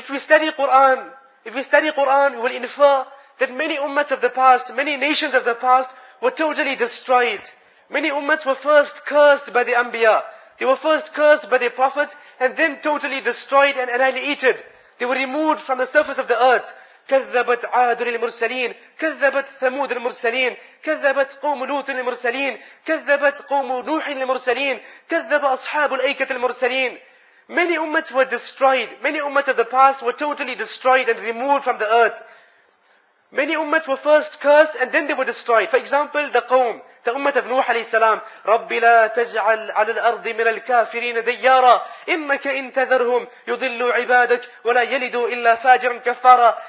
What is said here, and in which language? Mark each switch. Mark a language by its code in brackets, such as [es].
[en] If we study Quran, we will infer that many ummahs of the past, many nations of the past were totally destroyed. Many ummahs were first cursed by the anbiya. They were first cursed by the prophets and then totally destroyed and annihilated. They were removed from the surface of the earth. [ar] كذبت عاد للمرسلين كذبت ثمود للمرسلين كذبت قوم لوط للمرسلين كذبت قوم نوح للمرسلين كذب أصحاب الأيكة للمرسلين. [en] Many ummahs were destroyed. Many ummahs of the past were totally destroyed and removed from the earth. Many ummahs were first cursed and then they were destroyed. For example, the qawm, the ummah of Nuh alayhi salam, [ar] رَبِّ لَا تَجْعَلْ عَلَى الْأَرْضِ مِنَ الْكَافِرِينَ دَيَّارًا إِنَّكَ إِنْ تَذَرْهُمْ يُضِلُّ عِبَادَكْ وَلَا يَلِدُوا إِلَّا فَاجِرًا كَفَّارًا.